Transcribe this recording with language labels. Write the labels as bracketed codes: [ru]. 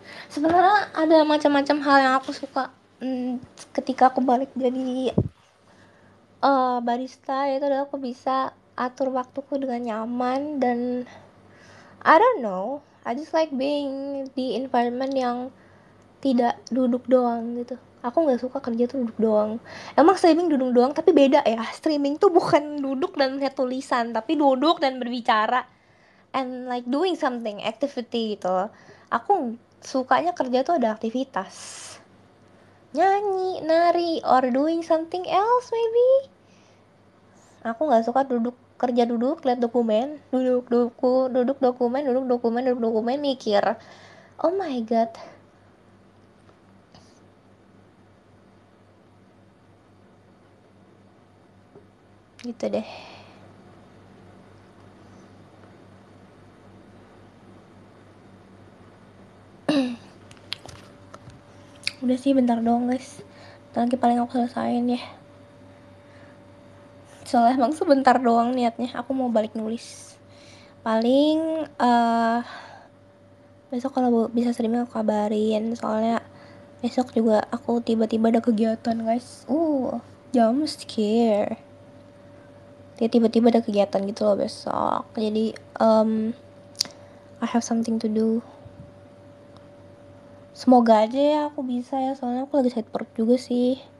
[id] Sebenarnya ada macam-macam hal yang aku suka ketika aku balik jadi barista, yaitu adalah aku bisa atur waktuku dengan nyaman dan [en] I don't know, I just like being the environment [id] yang tidak duduk doang gitu. Aku nggak suka kerja tuh duduk doang. Emang streaming duduk doang, tapi beda ya. Streaming tuh bukan duduk dan lihat tulisan, tapi duduk dan berbicara [en] and like doing something, activity [id] gitu. Aku sukanya kerja tuh ada aktivitas. Nyanyi, nari, [en] or doing something else maybe. [id] Aku nggak suka duduk kerja duduk lihat dokumen, duduk duku, duduk dokumen, duduk dokumen, duduk dokumen mikir. [en] Oh my god. [id] Gitu deh. Udah sih bentar doang guys. Bentar lagi paling aku selesain ya. Soalnya emang sebentar doang niatnya. Aku mau balik nulis. Paling besok kalau bisa streaming aku kabarin. Soalnya besok juga aku tiba-tiba ada kegiatan guys. Jump scare. Dia tiba-tiba ada kegiatan gitu loh besok. Jadi [en] I have something to do. [id] Semoga aja ya aku bisa ya, soalnya aku lagi sakit perut juga sih.